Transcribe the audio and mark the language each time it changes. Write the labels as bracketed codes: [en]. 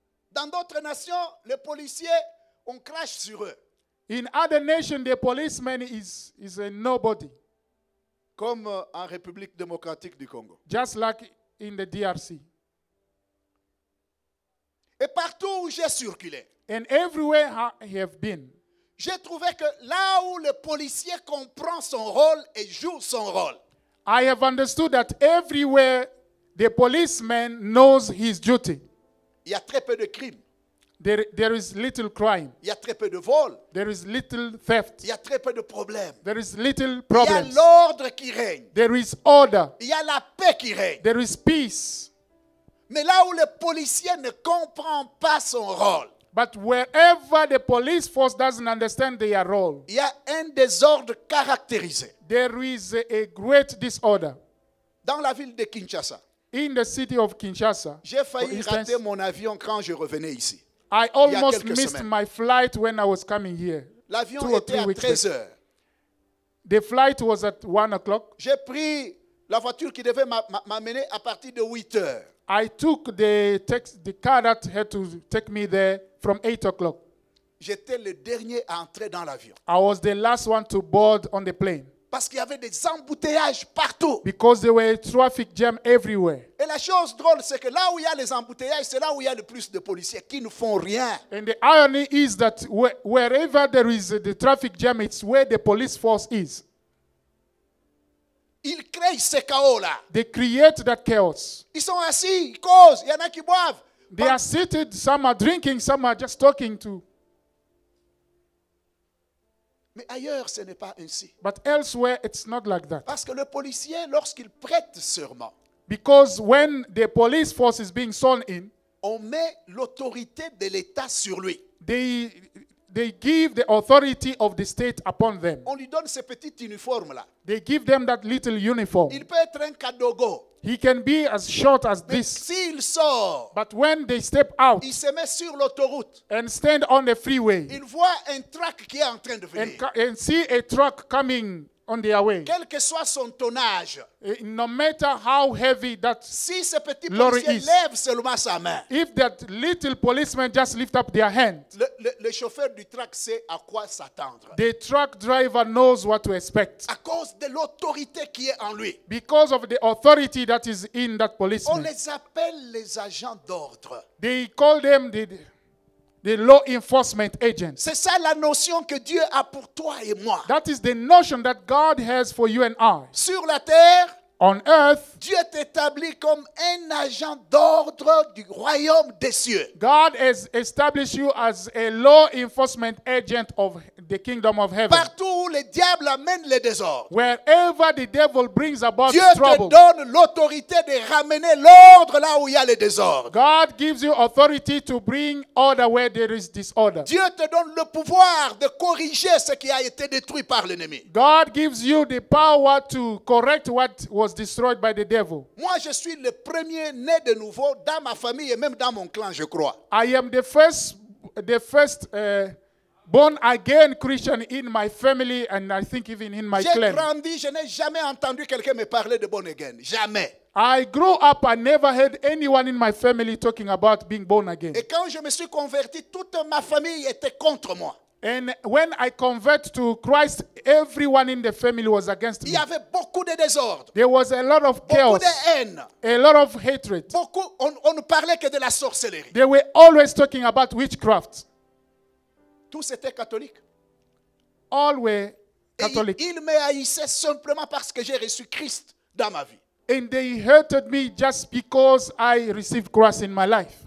[fr] Dans d'autres nations, les policiers, on crache sur eux. [en] In other nations, the policeman is a nobody. [fr] Comme en République démocratique du Congo. [en] Just like in the DRC. [fr] Et partout où j'ai circulé. [en] And everywhere I have been. [fr] J'ai trouvé que là où le policier comprend son rôle et joue son rôle. [en] I have understood that everywhere the policeman knows his duty. [fr] Il y a très peu de crimes. [en] There is little crime. [fr] Il y a très peu de vols. [en] There is little theft. [fr] Il y a très peu de problèmes. [en] There is little problems. [fr] Il y a l'ordre qui règne. [en] There is order. [fr] Il y a la paix qui règne. [en] There is peace. [fr] Mais là où le policier ne comprend pas son rôle. [en] But wherever the police force doesn't understand their role. [fr] Il y a un désordre caractérisé. [en] There is a great disorder. [fr] Dans la ville de Kinshasa. [en] In the city of Kinshasa. [fr] J'ai failli rater mon avion quand je revenais ici. [en] I almost missed my flight when I was coming here. [fr] L'avion était à 13h. [en] The flight was at 1 o'clock. [fr] J'ai pris la voiture qui devait m'amener à partir de 8h. [en] I took the car that had to take me there from 8 o'clock. [fr] J'étais le dernier à entrer dans l'avion. [en] I was the last one to board on the plane. [fr] Parce qu'il y avait des embouteillages partout. [en] Because there were traffic jam everywhere. [fr] Et la chose drôle, c'est que là où il y a les embouteillages, c'est là où il y a le plus de policiers qui ne font rien. [en] And the irony is that wherever there is the traffic jam, it's where the police force is. [fr] Ils créent ce chaos-là. [en] They create that chaos. [fr] Ils sont assis, ils causent, il y en a qui boivent. [en] They are seated, some are drinking, some are just talking too. [fr] Mais ailleurs, ce n'est pas ainsi. [en] But elsewhere, it's not like that. [fr] Parce que le policier, lorsqu'il prête serment, [en] because when the police force is being sworn in, [fr] on met l'autorité de l'État sur lui. [en] They give the authority of the state upon them. [fr] On lui donne ce petit uniforme là. [en] They give them that little uniform. [fr] Il peut être un cadogo. [en] He can be as short as [fr] mais [en] this. [fr] S'il sort, [en] but when they step out, [fr] il se met sur l'autoroute. [en] And stand on the freeway. [fr] Il voit un truck qui est en train de venir. [en] And see a truck coming on their way. [fr] Quel que soit son tonnage, [en] no matter how heavy that [fr] si ce petit [en] lorry [fr] policier [en] is, [fr] lève seulement sa main, [en] if that little policeman just lift up their hand, [fr] le chauffeur du truck sait à quoi s'attendre. [en] The truck driver knows what to expect. [fr] À cause de l'autorité qui est en lui. [en] Because of the authority that is in that policeman. [fr] On les appelle les agents d'ordre. [en] They call them the The law enforcement agent. [fr] C'est ça la notion que Dieu a pour toi et moi. [en] That is the notion that God has for you and I. [fr] Sur la terre, [en] on earth, [fr] Dieu est établi comme un agent d'ordre du royaume des cieux. [en] God has established you as a law enforcement agent of the kingdom of heaven. [fr] Partout où le diable amène les désordres. [en] Wherever the devil brings about [fr] Dieu [en] trouble. [fr] Dieu te donne l'autorité de ramener l'ordre là où il y a les désordres. [en] God gives you authority to bring order where there is disorder. [fr] Dieu te donne le pouvoir de corriger ce qui a été détruit par l'ennemi. [en] God gives you the power to correct what was destroyed by the devil. [fr] Moi je suis le premier né de nouveau dans ma famille et même dans mon clan, je crois. [en] I am the first born again Christian in my family and I think even in my clan. [fr] J'ai grandi, je n'ai jamais entendu quelqu'un me parler de [en] born again. [fr] Jamais. [en] I grew up, I never heard anyone in my family talking about being born again. [fr] Et quand je me suis converti, toute ma famille était contre moi. [en] And when I converted to Christ, everyone in the family was against me. [fr] Il y avait beaucoup de désordre. [en] There was a lot of chaos. [fr] Beaucoup de haine. [en] A lot of hatred. [fr] Beaucoup, on ne parlait que de la sorcellerie. [en] They were always talking about witchcraft. [fr] Tous étaient catholiques. [en] All were Catholic. [fr] Et ils me haïssaient simplement parce que j'ai reçu Christ dans ma vie. [en] And they hated me just because I received Christ in my life.